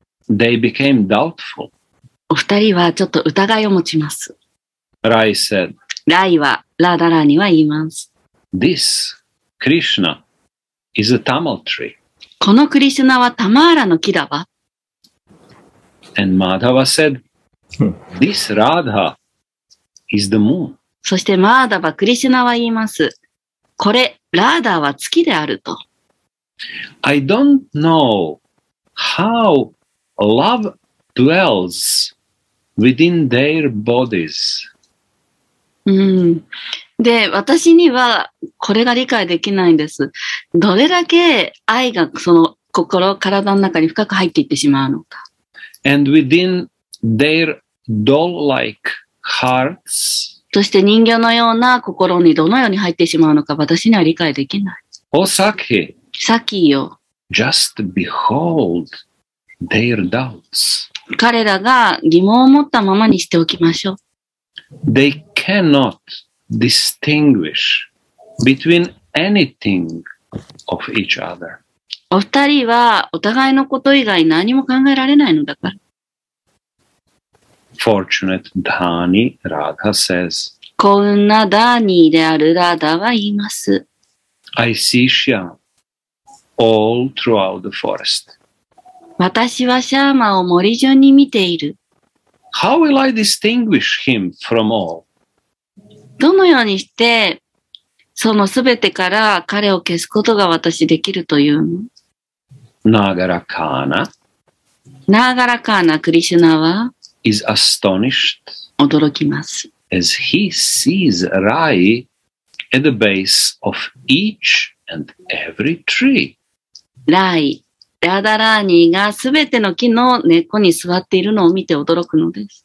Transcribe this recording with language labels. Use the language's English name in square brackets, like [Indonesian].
[English] They became doubtful. [Japanese] お二人はちょっと疑いを持ちます。 [English] Rai said, [Japanese] ライはラダラには言います。 [English] This Krishna is a tamal tree. [Japanese] このクリシュナはタマーラの木だわ。 [English] And Madhava said, This Radha is the moon. [Japanese] そしてマーダバ、クリシュナは言います。これ、ラーダは月であると。 [English] I don't know how love dwells within their bodies. [Japanese] うん。で、私にはこれが理解できないんです。どれだけ愛がその心、体の中に深く入っていってしまうのか。 [English] And within their doll-like hearts. [Japanese] そして人形のような心にどのように入ってしまうのか、私には理解できない。おさき。さきよ。 [English] Just behold their doubts. [Japanese] 彼らが疑問を持ったままにしておきましょう。 [English] They cannot distinguish between anything of each other. [Japanese] お二人はお互いのこと以外何も考えられないのだから。 [English] Fortunate Dhani Radha says. [Japanese] 幸運なダーニーであるラダは言います。 [English] I see Shyam all throughout the forest. [Japanese] 私はシャーマを森中に見ている。 [English] How will I distinguish him from all? [Japanese] どのようにしてそのすべてから彼を消すことが私できるというの? ナーガラカーナ。ナーガラカーナ、クリシュナは、 [English] is astonished. [Japanese] 驚きます。 [English] as he sees Rai at the base of each and every tree. [Japanese] Rai、ラダラーニーがすべての木の根っこに座っているのを見て驚くのです。